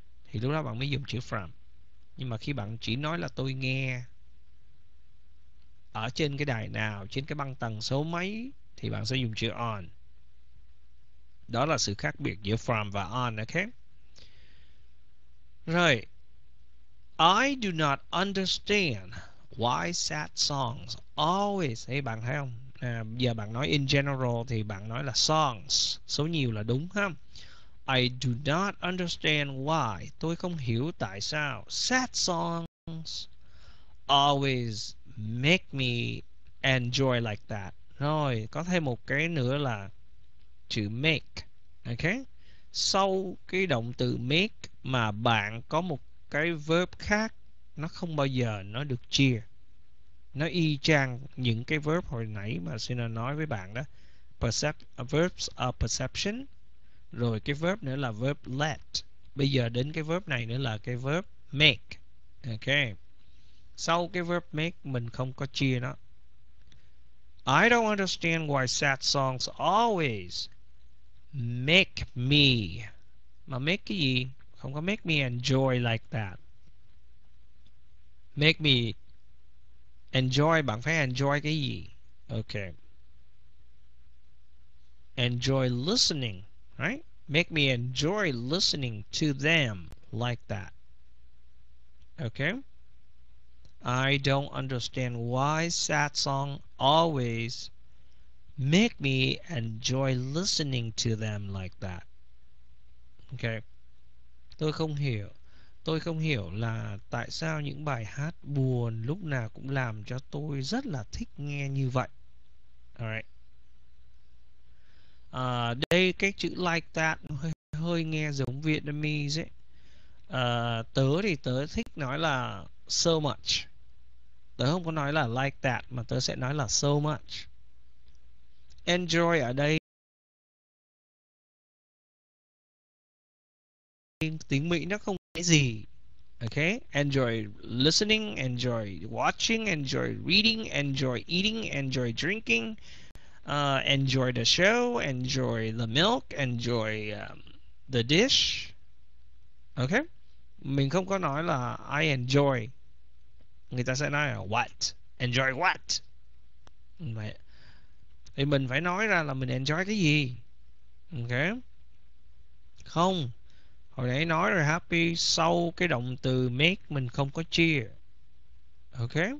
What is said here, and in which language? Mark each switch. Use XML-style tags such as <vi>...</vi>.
<vi>Thì lúc đó bạn mới dùng chữ from. Nhưng mà khi bạn chỉ nói là tôi nghe ở trên cái đài nào, trên cái băng tần số mấy thì bạn sẽ dùng chữ on. Đó là sự khác biệt giữa from và on, ok? Rồi.</vi> <en>I do not understand why sad songs always.</en> <vi>Thấy bạn thấy không? À, giờ bạn nói</vi> <en>in general</en> <vi>thì bạn nói là songs, số nhiều là đúng ha.</vi> <en>I do not understand why.</en> <vi>Tôi không hiểu tại sao</vi> <en>sad songs always make me enjoy like that.</en> <vi>Rồi, có thêm một cái nữa là chữ make. Ok. Sau cái động từ make mà bạn có một cái verb khác, nó không bao giờ nó được chia. Nó y chang những cái verb hồi nãy mà Sina nói với bạn đó.</vi> <en>Verbs are perception.</en> <vi>Rồi cái verb nữa là verb let. Bây giờ đến cái verb này nữa là cái verb make. Ok. Sau cái verb make mình không có chia nó.</vi> <en>I don't understand why sad songs always make me.</en> <vi>Mà make cái gì? Không có</vi> <en>make me enjoy like that. Make me enjoy,</en> <vi>bạn phải enjoy cái gì?</vi> <en>Ok. Enjoy listening, right? Make me enjoy listening to them like that. Ok. I don't understand why sad song always make me enjoy listening to them like that.</en> <vi>Ok. Tôi không hiểu. Tôi không hiểu là tại sao những bài hát buồn lúc nào cũng làm cho tôi rất là thích nghe như vậy. Alright. À, đây cái chữ</vi> <en>like that</en> <vi>hơi, hơi nghe giống Vietnamese ấy. À, tớ thì tớ thích nói là</vi> <en>so much.</en> <vi>Tớ không có nói là</vi> <en>like that</en> <vi>mà tớ sẽ nói là</vi> <en>so much.</en> <vi>Enjoy ở đây tiếng Mỹ nó không cái gì.</vi> <en>Ok, enjoy listening, enjoy watching, enjoy reading, enjoy eating, enjoy drinking, enjoy the show, enjoy the milk, enjoy the dish.</en> <vi>Ok, mình không có nói là</vi> <en>I enjoy.</en> <vi>Người ta sẽ nói là what?</vi> <en>Enjoy what?</en> <vi>Vậy. Thì mình phải nói ra là mình enjoy cái gì. Ok. Không. Hồi nãy nói rồi, happy sau cái động từ make mình không có chia. Ok.</vi>